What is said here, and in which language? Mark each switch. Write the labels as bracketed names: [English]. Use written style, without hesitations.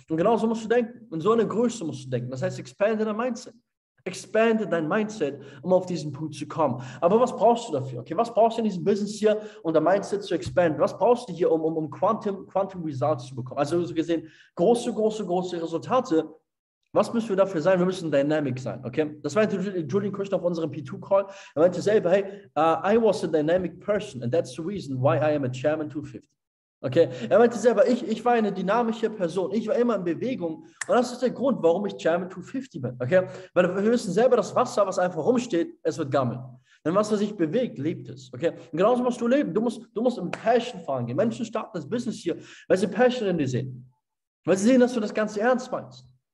[German] Und genau so musst du denken. In so eine Größe musst du denken. Das heißt, expande dein Mindset, um auf diesen Punkt zu kommen. Aber was brauchst du dafür? Okay, was brauchst du in diesem Business hier, um dein Mindset zu expanden? Was brauchst du hier, um Quantum Results zu bekommen? Also so gesehen, große Resultate. Was müssen wir dafür sein? Wir müssen dynamic sein, okay? Das meinte Julian Kirschner auf unserem P2-Call. Er meinte selber, [English] hey, I was a dynamic person and that's the reason why I am a chairman 250. Okay? [German] Er meinte selber, ich war eine dynamische Person. Ich war immer in Bewegung und das ist der Grund, warum ich chairman 250 bin, okay? Weil wir wissen selber, das Wasser, was einfach rumsteht, es wird gammeln. Wenn Wasser sich bewegt, lebt es. Okay? Und genauso musst du leben. Du musst im Passion fahren gehen. Menschen starten das Business hier, weil sie Passion in dir sehen. Weil sie sehen, dass du das Ganze ernst meinst.